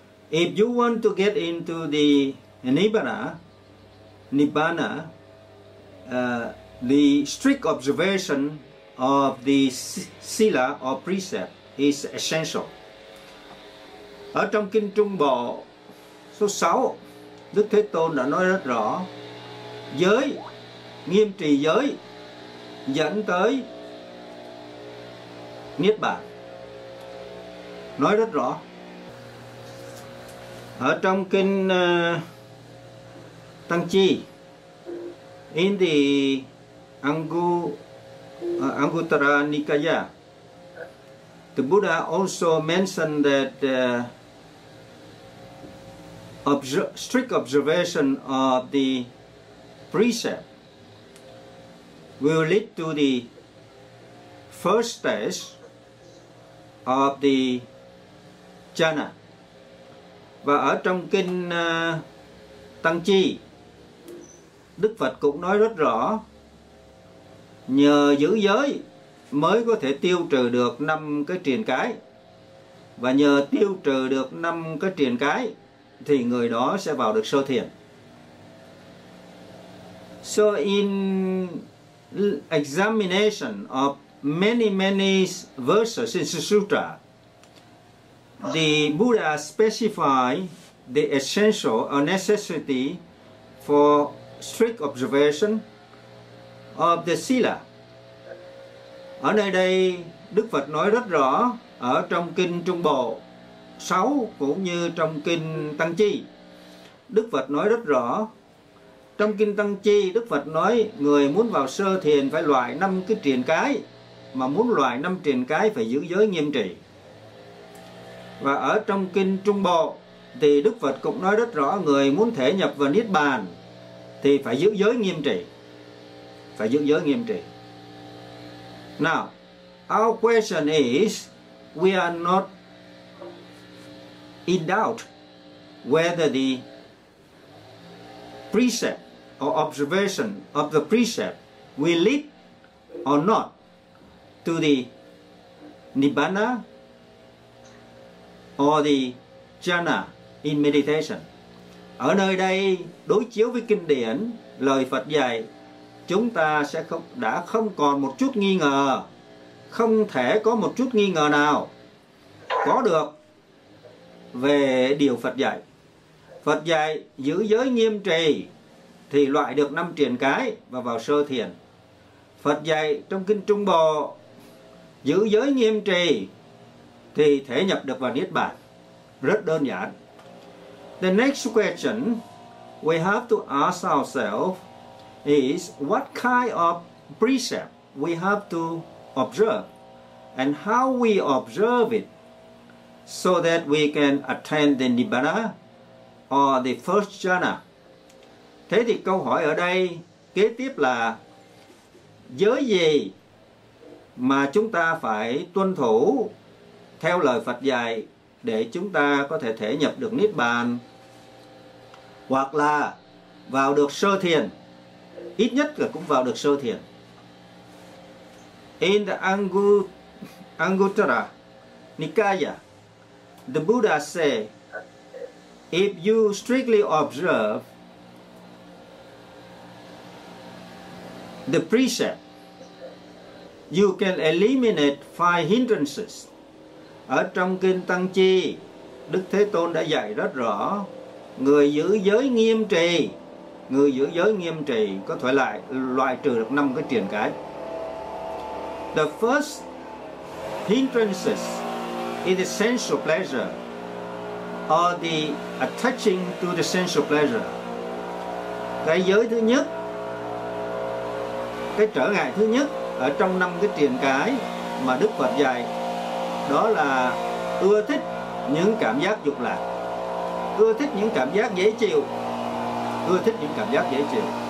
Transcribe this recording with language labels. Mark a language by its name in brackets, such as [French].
[English] If you want to get into the Nibbana, the strict observation of the sila or precept is essential. [Vietnamese] Ở trong Kinh Trung Bộ số 6, Đức Thế Tôn đã nói rất rõ, giới, nghiêm trì giới dẫn tới Niết Bàn. Nói rất rõ. Ở trong Kinh Tăng Chi, [English] in the Anguttara Nikaya, the Buddha also mentioned that strict observation of the precept will lead to the first stage of the jhana. [Vietnamese] Và ở trong Kinh Tăng Chi, Đức Phật cũng nói rất rõ, nhờ giữ giới mới có thể tiêu trừ được năm cái triền cái, và nhờ tiêu trừ được năm cái triền cái thì người đó sẽ vào được sơ thiền. [English] So in examination of many verses in the sutra, the Buddha specified the essential or necessity for strict observation of the sila. [Vietnamese] Ở nơi đây Đức Phật nói rất rõ ở trong kinh Trung Bộ 6 cũng như trong kinh Tăng Chi. Đức Phật nói rất rõ. Trong kinh Tăng Chi, Đức Phật nói người muốn vào sơ thiền phải loại 5 cái triền cái, mà muốn loại 5 triền cái phải giữ giới nghiêm trì. Và ở trong kinh Trung Bộ thì Đức Phật cũng nói rất rõ người muốn thể nhập vào Niết Bàn thì phải giữ giới nghiêm trì. Phải giữ giới nghiêm trì. [English] Now, our question is, we are not in doubt whether the precept or observation of the precept will lead or not to the Nibbana or the Jhana in meditation. [Vietnamese] Ở nơi đây, đối chiếu với kinh điển, lời Phật dạy, chúng ta sẽ không, đã không còn một chút nghi ngờ, không thể có một chút nghi ngờ nào có được về điều Phật dạy. Phật dạy giữ giới nghiêm trì thì loại được năm triền cái và vào sơ thiền. Phật dạy trong kinh Trung Bộ giữ giới nghiêm trì thì thể nhập được vào Niết Bàn. Rất đơn giản. [English] The next question we have to ask ourselves is what kind of precept we have to observe and how we observe it so that we can attain the Nibbana or the first jhana. [Vietnamese] Thế thì câu hỏi ở đây kế tiếp là giới gì mà chúng ta phải tuân thủ theo lời Phật dạy để chúng ta có thể thể nhập được Niết Bàn hoặc là vào được sơ thiền. Ít nhất là cũng vào được sơ thiền. [English] In the Anguttara Nikaya, the Buddha say, if you strictly observe the precept, you can eliminate 5 hindrances. [Vietnamese] Ở trong kinh Tăng Chi, Đức Thế Tôn đã dạy rất rõ, người giữ giới nghiêm trì, người giữ giới nghiêm trì có thể lại loại trừ được 5 cái triền cái. [English] The first hindrances is the sensual pleasure or the attaching to the sensual pleasure. [Vietnamese] Cái giới thứ nhất, cái trở ngại thứ nhất ở trong 5 cái triền cái mà Đức Phật dạy đó là ưa thích những cảm giác dục lạc, ưa thích những cảm giác dễ chịu, ưa thích những cảm giác dễ chịu.